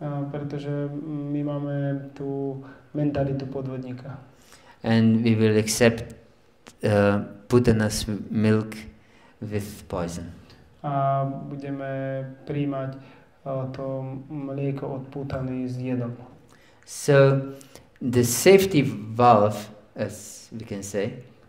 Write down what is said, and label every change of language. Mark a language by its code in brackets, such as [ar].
[sk] Pretože my máme tú mentalitu podvodníka. [en] And we will accept putana's milk with poison. [sk] A budeme prijímať to mlieko od putany s jedom. [en] So the safety valve, as we can say,